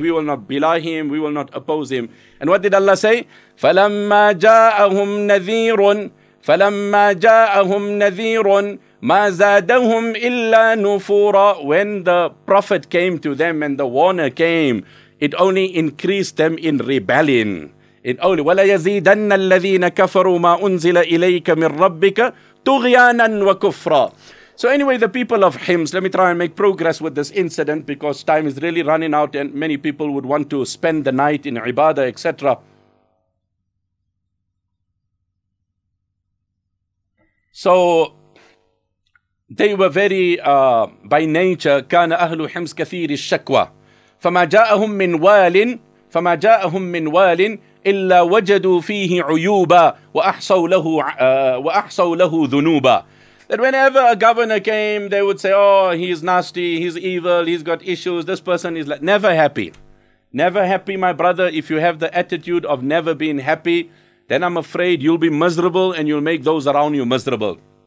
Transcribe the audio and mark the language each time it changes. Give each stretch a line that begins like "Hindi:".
English: We will not belie him. We will not oppose him. And what did Allah say?
Arabic: فَلَمَّا جَاءَهُمْ نَذِيرٌ فَلَمَّا جَاءَهُمْ نَذِيرٌ مَا زَادَهُمْ إِلَّا نُفُورًا.
English: When the prophet came to them and the warner came, it only increased them in rebellion.
Arabic: In only, وَلَا يَزِيدَنَّ الَّذِينَ كَفَرُوا مَا أُنزِلَ إِلَيْكَ مِنْ رَبِّكَ تُغْيَانًا وَكُفْرًا.
English: So anyway, the people of Hims, let me try and make progress with this incident because time is really running out and many people would want to spend the night in ibadah, etc. So they were very, by nature,
Arabic: كَانَ أَهْلُ حِمْسْ كَثِيرِ الشَّكْوَى فَمَا جَاءَهُمْ مِنْ وَالٍ فَمَا جَاءَهُمْ مِنْ وَالٍ إِلَّا وَجَدُوا فِيهِ عُيُوبًا وَأَحْصَوْ لَهُ ذُنُوبًا.
English: That whenever a governor came, they would say, oh, he's nasty, he's evil, he's got issues, this person is like, never happy. Never happy, my brother. If you have the attitude of never being happy, then I'm afraid you'll be miserable and you'll make those around you miserable.